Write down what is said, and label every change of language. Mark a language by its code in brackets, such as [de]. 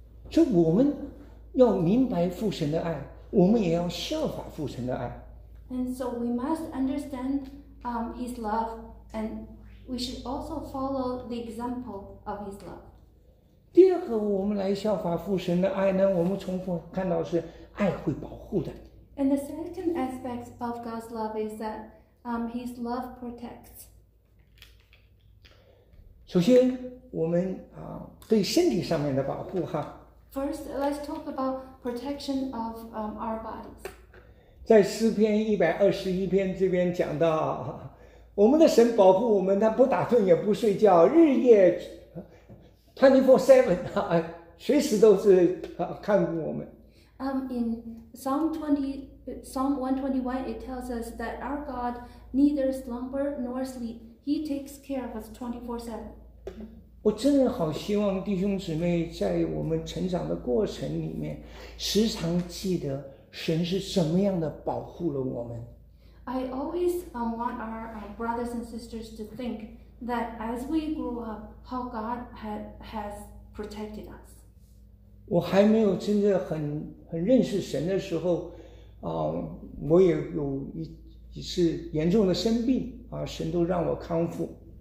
[zh] 所以我们要明白父神的爱，我们也要效法父神的爱。 [en] And so we must understand his love, and we should also follow the example of his love. [zh] 第二个，我们来效法父神的爱呢？我们重复看到是爱会保护的。 [en] And the second aspect of God's love is that, His love protects. [zh] 首先，我们对身体上面的保护哈。 [en] First, let's talk about protection of our bodies. [zh] 在诗篇121篇这边讲到，我们的神保护我们，他不打盹也不睡觉，日夜。 24/7随时都是看顾我们。 [en] In Psalm 121, it tells us that our God neither slumber nor sleep. He takes care of us 24/7. [zh] 我真的好希望弟兄姊妹在我们成长的过程里面，时常记得神是怎么样的保护了我们。 [en] I always want our brothers and sisters to think. That as we grew up, how God has protected us. [zh] 我还没有真的很认识神的时候，我也有一次严重的生病啊，神都让我康复。